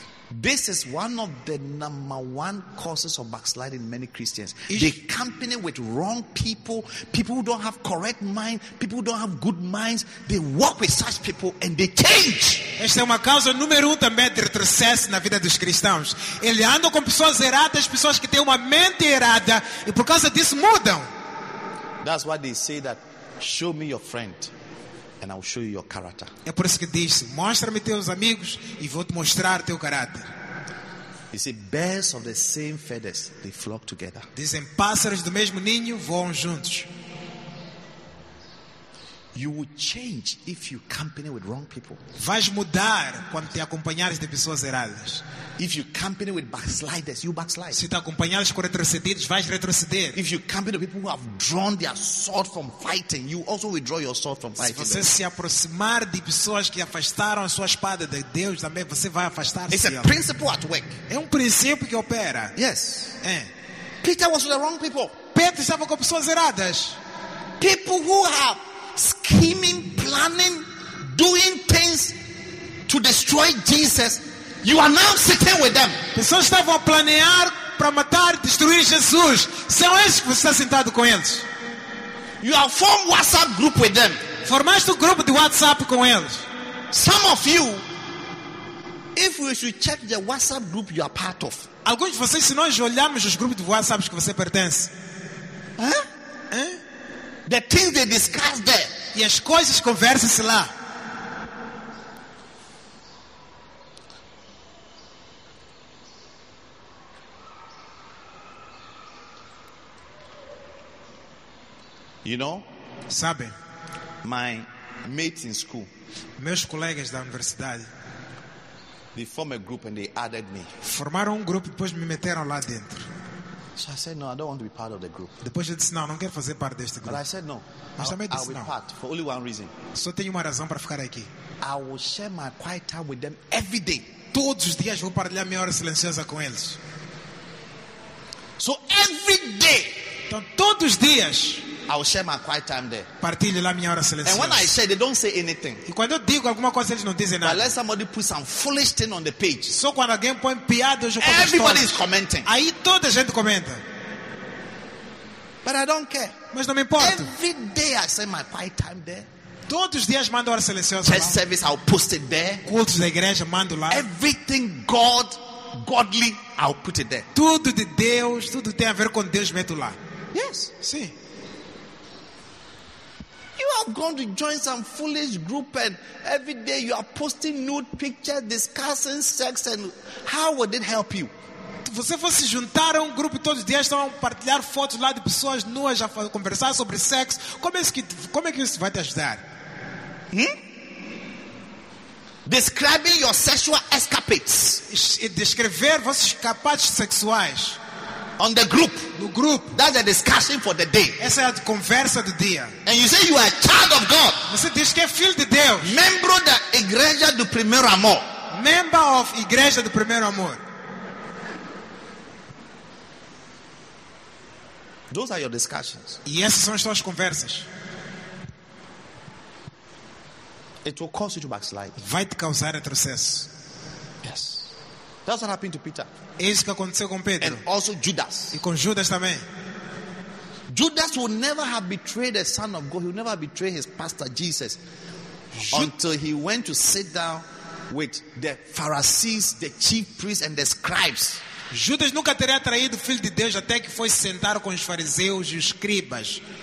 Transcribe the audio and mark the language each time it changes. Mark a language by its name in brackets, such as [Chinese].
[English] This is one of the number one causes of backsliding in many Christians. They company with wrong people, people who don't have correct mind, people who don't have good minds. They work with such people and they change. [Portuguese] Esta é uma causa número um também de retrocesso na vida dos cristãos. Eles andam com pessoas erradas, pessoas que têm uma mente errada, e por causa disso mudam. [English] That's why they say that, show me your friend. And I'll show you your character. [Portuguese] É por isso que diz, mostra-me teus amigos e vou-te mostrar teu caráter. [English] You see, birds of the same feathers, they flock together. [Portuguese] Dizem, pássaros do mesmo ninho voam juntos. [English] You will change if you company with wrong people. [Portuguese] Vais mudar quando te acompanhares de pessoas erradas. [English] If you company with backsliders, you backslide. [Portuguese] Se te acompanhares com retrocedidos, vais retroceder. [English] If you company with people who have drawn their sword from fighting, you also withdraw your sword from fighting. [Portuguese] Se você se aproximar de pessoas que afastaram a sua espada de Deus, também você vai afastar-se. [English] It's a principle at work. [Portuguese] É princípio que opera. [English] Yes. [Portuguese] É. [English] Peter was with the wrong people. [Portuguese] Pedro estava com pessoas erradas. [English] People who have scheming, planning, doing things to destroy Jesus. You are now sitting with them. [Portuguese] Pessoas estavam a planear para matar, destruir Jesus. São esses que você está sentado com eles. [English] You have formed WhatsApp group with them. [Portuguese] Formaste um grupo de WhatsApp com eles. [English] Some of you If we should check the WhatsApp group you are part of. [Portuguese] Alguns de vocês, se nós olharmos os grupos de WhatsApp que você pertence. [English] The things they discuss there. [Portuguese] E as coisas conversam-se lá. [English] You know? [Portuguese] Sabe? [English] My mates in school. [Portuguese] Meus colegas da universidade. [English] They form a group and they added me. [Portuguese] Formaram grupo e depois me meteram lá dentro. [English] So I said no, I don't want to be part of the group. [Portuguese] Depois eu disse não, não quero fazer parte deste grupo. [English] But I said no. [Portuguese] Mas também disse [English] I will [Portuguese] não. [English] Part for only one reason. [Portuguese] Só tenho uma razão para ficar aqui. [English] I will share my quiet time with them every day. [Portuguese] Todos os dias vou partilhar minha hora silenciosa com eles. [English] So every day. [Portuguese] Então todos os dias. [English] I will share my quiet time there. [Portuguese] Partilho lá minha hora silenciosa. [English] And when I share, they don't say anything. [Portuguese] E quando eu digo alguma coisa, eles não dizem nada. [English] Unless somebody puts some foolish thing on the page. [Portuguese] Só quando alguém põe piada, eu comento. [English] Everybody is commenting. [Portuguese] Aí toda a gente comenta. [English] But I don't care. [Portuguese] Mas não me importa. [English] Every day I share my quiet time there. [Portuguese] Todos os dias mando hora silenciosa. [English] Church service, I'll post it there. [Portuguese] Cultos da igreja, mando lá. [English] Everything God, godly, I'll put it there. [Portuguese] Tudo de Deus, tudo tem a ver com Deus, meto lá. [English] Yes. [Portuguese] Sim. [English] You have gone to join some foolish group and every day you are posting nude pictures discussing sex and how would it help you? [Portuguese] Você foi se juntar a grupo e todos os dias estão a partilhar fotos lá de pessoas nuas a conversar sobre sexo. Como é que isso vai te ajudar? [English] Describing your sexual escapades. [Portuguese] Descrever vossos escapades sexuais. [English] On the group. [Portuguese] No grupo. [English] That's a discussion for the day. [Portuguese] Essa é a conversa do dia. [English] And you say you are a child of God. [Portuguese] Você diz que é filho de Deus. Membro da Igreja do Primeiro Amor. [English] Member of Igreja do Primeiro Amor. Those are your discussions. [Portuguese] E essas são as suas conversas. [English] It will cause you to backslide. [Portuguese] Vai te causar retrocesso. [English] Yes. That's what happened to Peter. [Portuguese] É isso que aconteceu com Pedro. [English] And also Judas. [Portuguese] E com Judas também. [English] Judas would never have betrayed the Son of God. He would never betray his pastor Jesus until he went to sit down with the Pharisees, the chief priests, and the scribes. [Portuguese] Judas nunca teria traído o filho de Deus até que foi sentar com os fariseus e os escribas.